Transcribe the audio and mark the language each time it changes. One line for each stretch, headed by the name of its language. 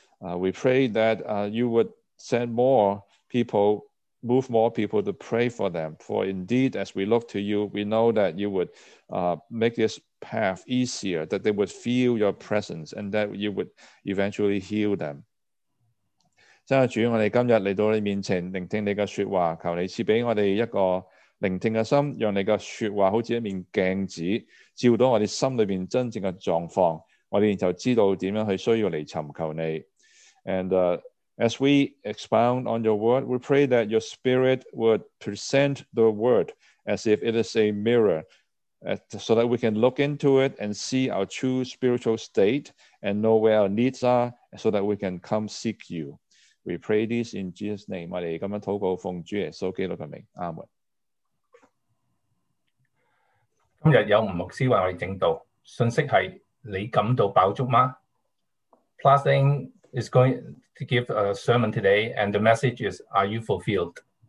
English: We pray that you would send more people, move more people to pray for them. For indeed, as we look to you, we know that you would make this path easier, that they would feel your presence, and that you would eventually heal them.
Chinese: 真主，我们今天来到你面前聆听你的说话，求你赐给我们一个聆听的心，让你的说话好像一面镜子，照到我们心里面真正的状况，我们就知道怎样去需要来寻求你。
English: As we expound on your word, we pray that your spirit would present the word as if it is a mirror, so that we can look into it and see our true spiritual state and know where our needs are, so that we can come seek you. We pray this in Jesus' name.
Chinese: 我们今天祷告奉主耶稣基督的名，阿们。今天有吴牧师为我们证道，信息是你感到饱足吗？
English: Plusing is going to give a sermon today, and the message is, are you fulfilled?